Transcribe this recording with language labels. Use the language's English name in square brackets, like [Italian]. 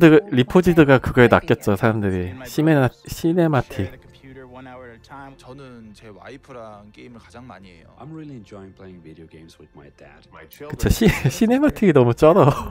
[Korean] 리포지드가 그거에 낚였죠, 사람들이. 시네마틱. 저는 제 와이프랑 게임을 가장 많이 해요. [English] I'm really enjoying playing video games with my dad. [Korean] 그쵸, 시네마틱이 너무 쩔어.